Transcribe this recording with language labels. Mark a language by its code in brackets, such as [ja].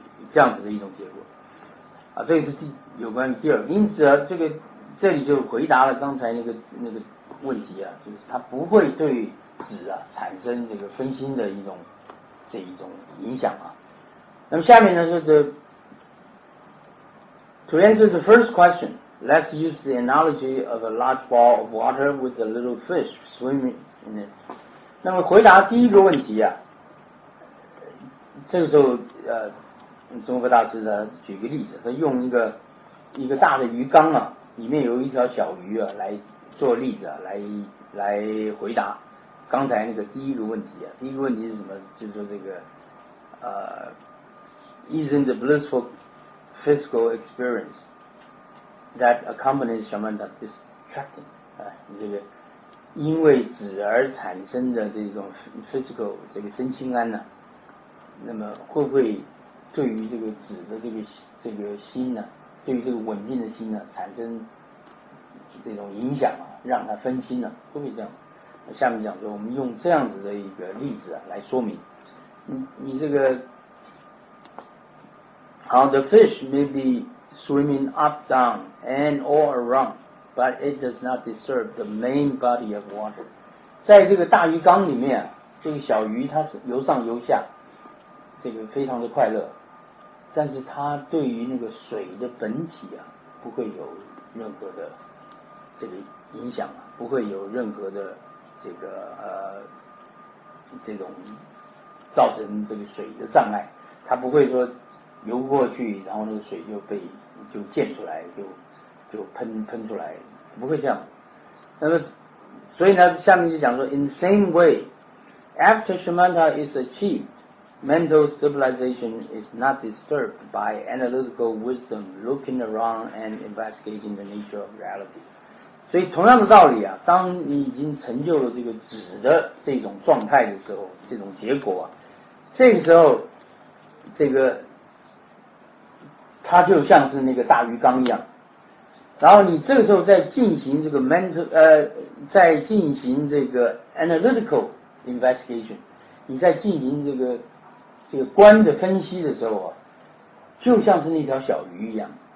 [zh] 这样子的一种结果啊，这是有关于第二，因此啊，这里就回答了刚才那个问题啊，就是它不会对止啊产生这个分心的这一种影响啊。那么下面呢，这个 [en] to answer the first question, let's use the analogy of a large ball of water with a little fish swimming in it. [zh] 那么回答第一个问题啊，这个时候中国大师呢举个例子，他用一个大的鱼缸啊，里面有一条小鱼啊，来做例子啊，来回答刚才那个第一个问题啊。第一个问题是什么？就是说这个 [en] isn't the blissful physical experience that accompanies shamatha distracting？ [zh] 这个因为止而产生的这种 physical 这个身心安呢、那么会不会对于这个止的这个心呢、对于这个稳定的心呢，产生这种影响啊，让它分心呢、会不会这样？下面讲说，我们用这样子的一个例子啊来说明。你这个，好 [en] ，the fish may be swimming up, down, and all around, but it does not disturb the main body of water。 [zh] 在这个大鱼缸里面，这个小鱼它是游上游下，这个非常的快乐，但是它对于那个水的本体啊，不会有任何的这个影响，不会有任何的这个这种造成这个水的障碍，它不会说游过去，然后那个水就被就溅出来，就喷出来，不会这样。那么，所以呢，下面就讲说 [en] ，in the same way, after shamatha is achieved, mental stabilization is not disturbed by analytical wisdom looking around and investigating the nature of reality。 [zh] 所以同样的道理啊，当你已经成就了这个止的这种状态的时候，这种结果啊，这个时候，这个它就像是那个大鱼缸一样。然后你这个时候在进行这个 mental 在进行这个 [en] analytical investigation， [zh] 你在进行这个观的分析的时候啊，就像是那条小鱼一样。